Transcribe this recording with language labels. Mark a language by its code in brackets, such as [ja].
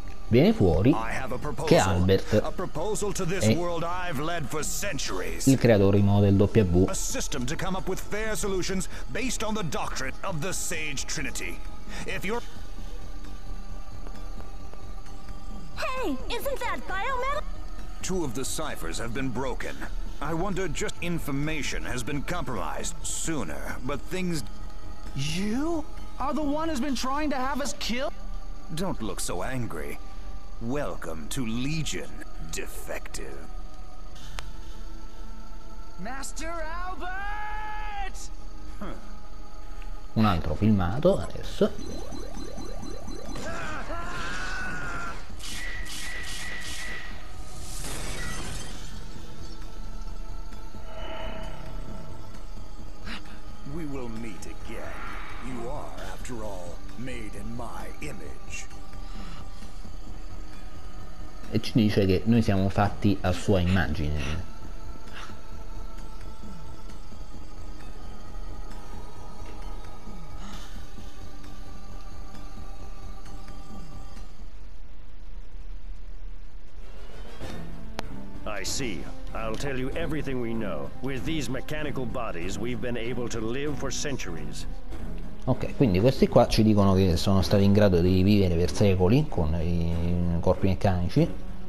[it] Viene fuori che Albert è il creatore del W. [en] A system to come up with fair solutions based on the doctrine of the Sage Trinity. If you're... Hey, isn't that biometal? Two of the ciphers have been broken. I wonder just information has been compromised sooner, but things... You are the one who's been trying to have us killed? Don't look so angry. Welcome to Legion, defective. Master Albert! [it] Un altro filmato adesso. [en] We will meet again. You are, after all, made in my image. [it] E ci dice che noi siamo fatti a sua immagine. [en] I see. I'll tell you everything we know. With these mechanical bodies, we've been able to live for centuries. [it] Ok, quindi questi qua ci dicono che sono stati in grado di vivere per secoli con i corpi meccanici.